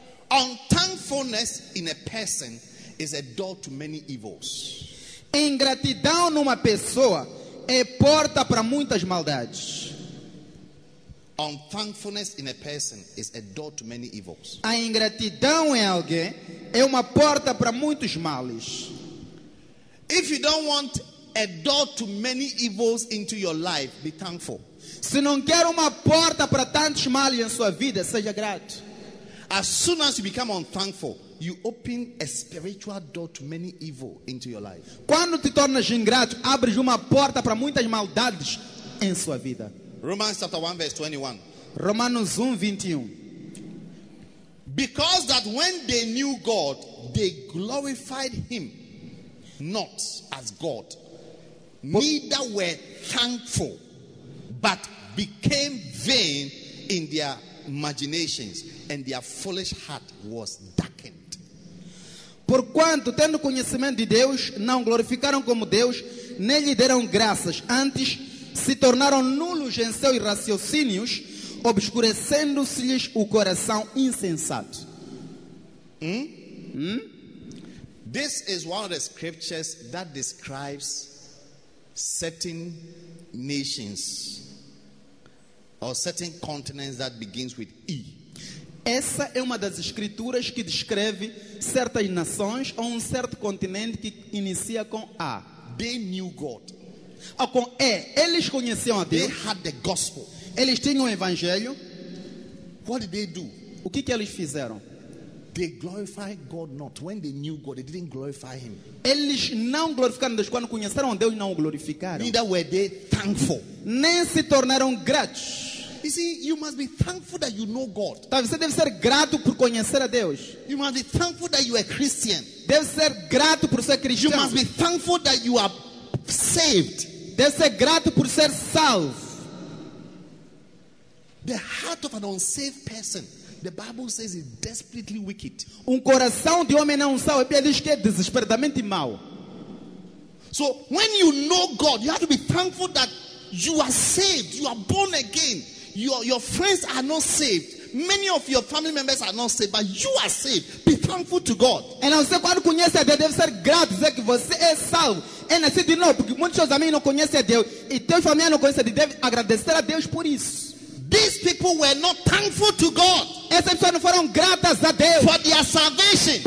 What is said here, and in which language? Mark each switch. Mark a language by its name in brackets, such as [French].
[English] Unthankfulness in a person is a door to many evils. [Portuguese] Ingratidão numa pessoa é porta para muitas maldades. [English] Unthankfulness in a person is a door to many evils. [Portuguese] A ingratidão em alguém é uma porta para muitos males. [English] If you don't want a door to many evils into your life, be thankful. [Portuguese] Se não quer uma porta para tantos males em sua vida, seja grato. [English] As soon as you become unthankful, you open a spiritual door to many evil into your life. [Portuguese] Quando te tornas ingrato, abres uma porta para muitas maldades em sua vida. [English] Romans chapter 1 verse 21. [Portuguese] Romanos 1:21. [English] Because that when they knew God, they glorified him not as God. Neither were thankful, but became vain in their imaginations, and their foolish heart was darkened. [Portuguese] Porquanto, tendo conhecimento de Deus, não glorificaram como Deus, nem lhe deram graças. Antes, se tornaram nulos em seus raciocínios, obscurecendo-se-lhes o coração insensato. [English] This is one of the scriptures that describes certain nations or certain continents that begins with E. [Portuguese] Essa é uma das escrituras que descreve certas nações ou certo continente que inicia com A. [English] They knew God. [Portuguese] Ou com E. Eles conheciam a Deus. [English] They had the gospel. [Portuguese] Eles tinham o evangelho. [English] What did they do? [Portuguese] O que que eles fizeram? [English] They glorified God not. When they knew God, they didn't glorify him. [Portuguese] Eles não glorificaram Deus. Quando conheceram Deus, não o glorificaram. [English] Neither were they thankful. [Portuguese] Nem se tornaram gratos. [English] You see, you must be thankful that you know God. [Portuguese] Você deve ser grato por conhecer a Deus. [English] You must be thankful that you are Christian. [Portuguese] Deve ser grato por ser cristão. [English] You must be thankful that you are saved. [Portuguese] Deve ser grato por ser salvo. [English] The heart of an unsaved person, the Bible says, it's desperately wicked. [Portuguese] Um coração de homem não salvo, a Bíblia diz que é desesperadamente mau. [English] So when you know God, you have to be thankful that you are saved, you are born again. Your friends are not saved. Many of your family members are not saved, but you are saved. Be thankful to God. [Portuguese] E não sei quando conhece a Deus, deve ser grato, dizer que você é salvo. E nasci de novo, porque muitos amigos não conhecem a Deus e teus família não conhece a Deus, deve agradecer a Deus por isso. [English] These people were not thankful to God. [Portuguese] Essas pessoas não foram gratas a Deus [English] for their salvation.